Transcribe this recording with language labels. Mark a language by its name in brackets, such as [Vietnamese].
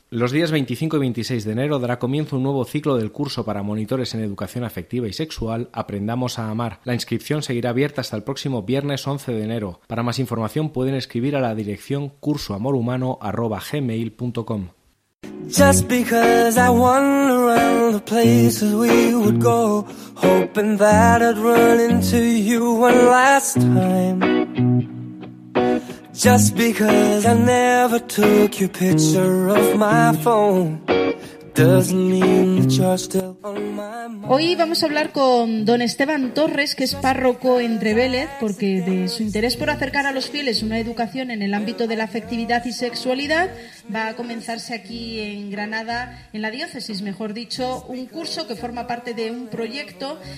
[Spanish] Los días 25 y 26 de enero dará comienzo un nuevo ciclo del curso para monitores en educación afectiva y sexual Aprendamos a Amar. La inscripción seguirá abierta hasta el próximo viernes 11 de enero. Para más información pueden escribir a la dirección cursoamorhumano@gmail.com. [English] Just because I wander around the places we would go, hoping that I'd run into you one last time. Just because I never took your picture off my phone, [Spanish] Hoy vamos a hablar con don Esteban Torres, que es párroco en Trevélez, porque de su interés por acercar a los fieles una educación en el ámbito de la afectividad y sexualidad, va a comenzarse aquí en Granada, en la diócesis, mejor dicho, un curso que forma parte de un proyecto.